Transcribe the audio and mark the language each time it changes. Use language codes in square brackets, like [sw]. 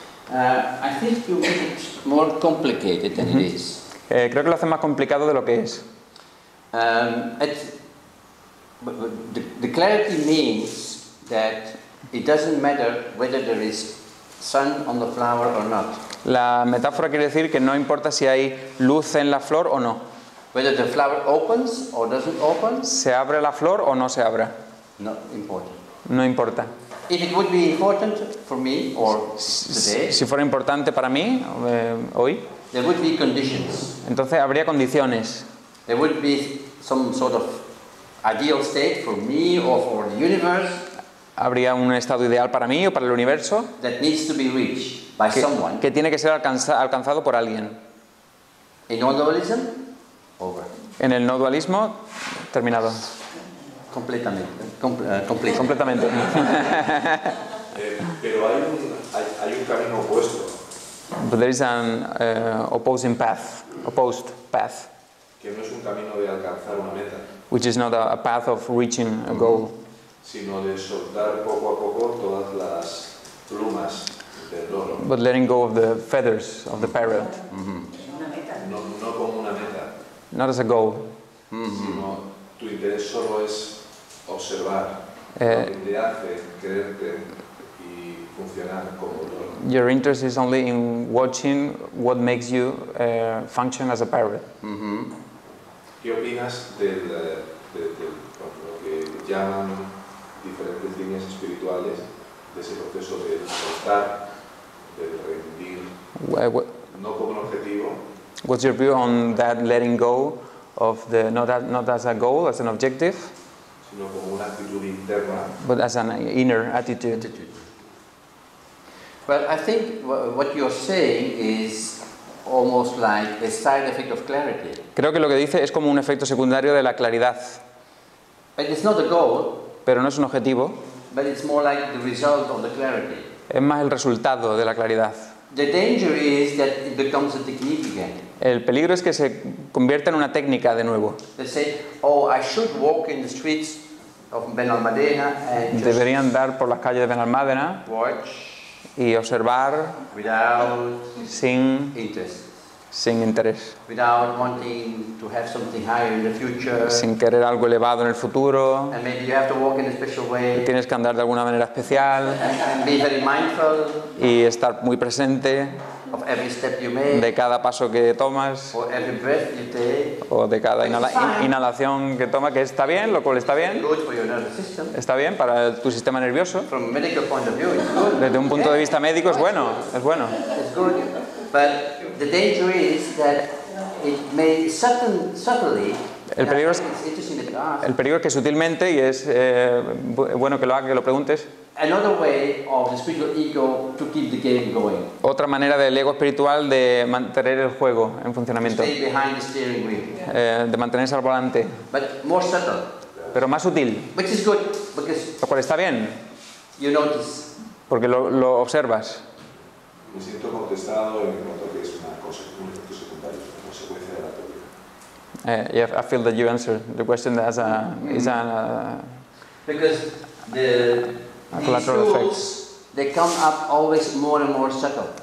[en] I think you make it more complicated than it is. [es] Creo que lo hace más complicado de lo que es. [en] The clarity means that it doesn't matter whether there is sun on the flower or not. [es] La metáfora quiere decir que no importa si hay luz en la flor o no. [en] Whether the flower opens or doesn't open. [es] Se abre la flor o no se abre. No importa. No importa. [en] If it would be important for me or today. [es] Si fuera importante para mí hoy. [en] There would be conditions. [es] Entonces habría condiciones. [en] There would be some sort of ideal state for me or for the universe. [es] Habría un estado ideal para mí o para el universo [en] that needs to be reached by [es] que, [en] someone. [es] Que tiene que ser alcanzado por alguien. [en] In no dualism, over. [es] En el no dualismo, terminado. Completamente. pero hay un camino opuesto. [en] But there is an opposing path, opposed path. [es] Que no es un camino de alcanzar una meta. [en] Which is not a path of reaching a goal. [es] Sino de soltar poco a poco todas las plumas del loro. [en] But letting go of the feathers of the parrot. [es] No como una meta. [en] Not as a goal. [es] Sino tu interés solo es observar. Lo que te hace quererte y funcionar como loro. [en] Your interest is only in watching what makes you function as a parrot. [es] ¿Qué opinas de lo que llaman diferentes líneas espirituales de ese proceso de soltar, de rendir, no como un objetivo? [en] What's your view on that letting go of the not as a goal, as an objective, [es] sino como una actitud interna, [en] but as an inner attitude? Well, I think what you're saying is almost like a side effect of clarity. [es] Creo que lo que dice es como un efecto secundario de la claridad. [en] But it's not a goal. [es] Pero no es un objetivo. [en] But it's more like the result of the clarity. [es] Es más el resultado de la claridad. [en] The danger is that it becomes a technique again. [es] El peligro es que se convierta en una técnica de nuevo. [en] They say, oh, I should walk in the streets of Benalmádena and just [es] deberían andar por las calles de Benalmádena [en] watch [es] y observar sin interés. [en] Without wanting to have something higher in the future. [es] Sin querer algo elevado en el futuro. [en] And maybe you have to walk in a special way. [es] Tienes que andar de alguna manera especial. [en] And be very mindful. [es] Y estar muy presente. [en] Of every step you make. [es] De cada paso que tomas. [en] Or every breath you take. [es] O de cada inhalación que toma, que está bien, lo cual está bien. [en] Good for your nervous system. [es] Está bien para tu sistema nervioso. [en] From a medical point of view, it's good. [es] Desde un punto de vista médico es bueno. Es bueno. [en] It's good. But the danger is that it may subtly. [es] El peligro es que sutilmente y es bueno que lo haga, que lo preguntes. [en] Another way of the spiritual ego to keep the game going. [es] Otra manera del ego espiritual de mantener el juego en funcionamiento. [en] Stay behind the steering wheel. [es] De mantenerse al volante. [en] But more subtle. [es] Pero más sutil. [en] Which is good because. [es] Lo cual está bien. [en] You notice. [es] Porque lo observas. me siento contestado en cuanto a que es una cosa, un efecto secundario, una consecuencia de la teoría. [en] Yeah, I feel that you answered the question that as a is an because the collateral effects they come up always more and more subtle.